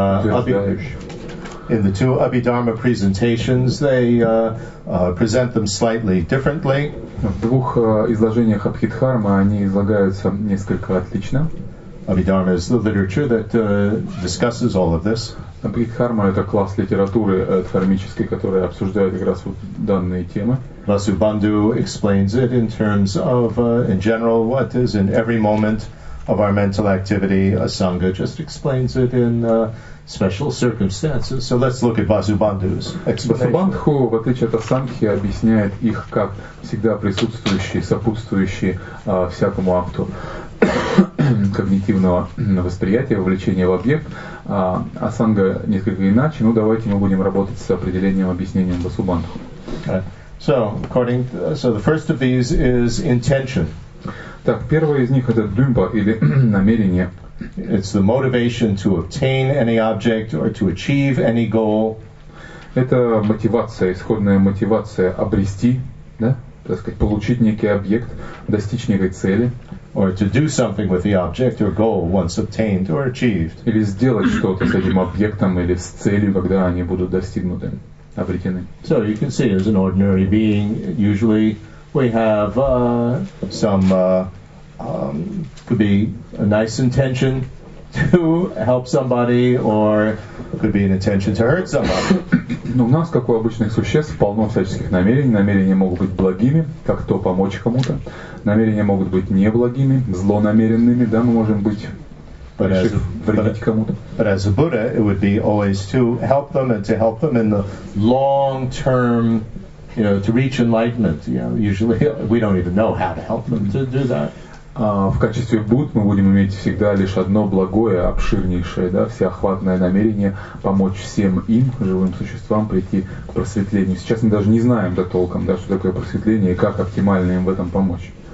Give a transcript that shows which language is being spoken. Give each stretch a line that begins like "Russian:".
English: In the two Abhidharma presentations, they present them slightly differently.
Russian: В двух изложениях Абхидхармы они излагаются несколько отлично.
English: Abhidharma is the literature that discusses all of this.
Russian: Abhidharma – это класс литературы дхармической, которая обсуждает как раз вот данные темы.
English: Vasubandhu explains it in terms of, in general, what is in every moment of our mental activity. Asanga just explains it in special circumstances. So let's look at Vasubandhu's explanation.
Russian: Vasubandhu, в отличие от Асанги, объясняет их как всегда присутствующие, сопутствующие всякому акту когнитивного восприятия, вовлечения в объект. Асанга несколько иначе. Ну, давайте мы будем работать с определением, объяснением Васубандху.
English: Right. So, according to, so the first of these is intention.
Russian: Так, первое из них это думба или намерение.
English: It's the motivation to obtain any object or to achieve any goal.
Russian: Это мотивация, исходная мотивация обрести, да, так сказать, получить некий объект, достичь некой цели.
English: Or to do something with the object or goal once obtained or achieved.
Russian: Или сделать что-то с этим объектом или с целью, когда они будут достигнуты, обретены.
English: So you can see, as an ordinary being, usually we have could be a nice intention to help somebody, or could be an intention to hurt somebody.
Russian: Ну, у нас, как у обычных существ, полно всяческих намерений. Намерения могут быть благими, как то помочь кому-то. Намерения могут быть неблагими, злонамеренными, да, мы можем быть, решив вредить кому-то.
English: But as a Buddha, it would be always to help them and to help them in the long term, you know, to reach enlightenment. You know, usually we don't even know how to help them to do that.
Russian: В качестве Будд мы будем иметь всегда лишь одно благое, обширнейшее, да, всеохватное намерение помочь всем им, живым существам, прийти к просветлению. Сейчас мы даже не знаем до толком, да, что такое просветление и как оптимально им в этом помочь.